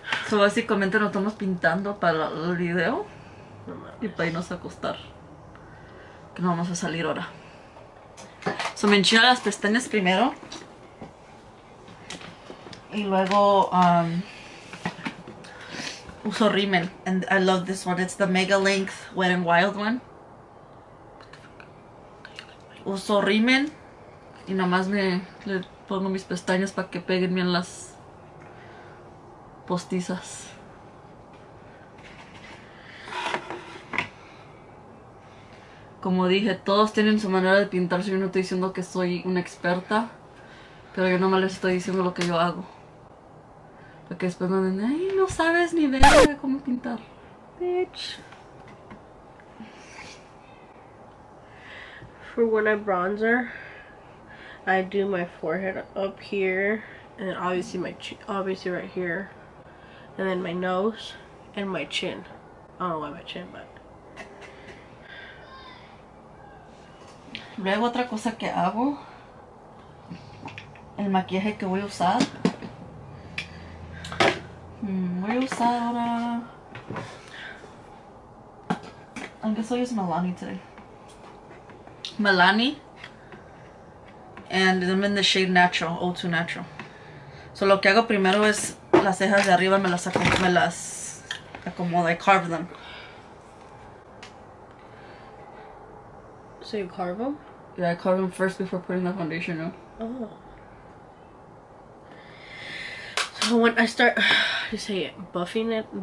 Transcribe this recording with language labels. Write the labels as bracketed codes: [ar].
[es] So básicamente nos estamos pintando para el video. Y para irnos a acostar. Que no vamos a salir ahora. So me enchino las pestañas primero. Y luego uso rímel. [en] And I love this one. It's the Mega Length Wet n Wild one. [es] Uso rímel. Y nomás le pongo mis pestañas para que peguen bien las postizas. Como dije, todos tienen su manera de pintarse. Yo no estoy diciendo que soy una experta. Pero yo nomás les estoy diciendo lo que yo hago. Porque después me dicen, ay, no sabes ni de cómo pintar. [en] Bitch. For when I bronzer, I do my forehead up here. And then obviously my chin, obviously right here. And then my nose and my chin. I don't know why my chin, but. [es] Luego otra cosa que hago, el maquillaje que voy a usar. Voy a usar ahora. [en] I guess I'll use Milani today. Milani. And I'm in the shade Natural, O2 Natural. [es] So lo que hago primero es las cejas de arriba me las acomodo, [en] I carve them. So you carve them? Yeah, I carve them first before putting the foundation on. Oh. So when I start, you say it, buffing it?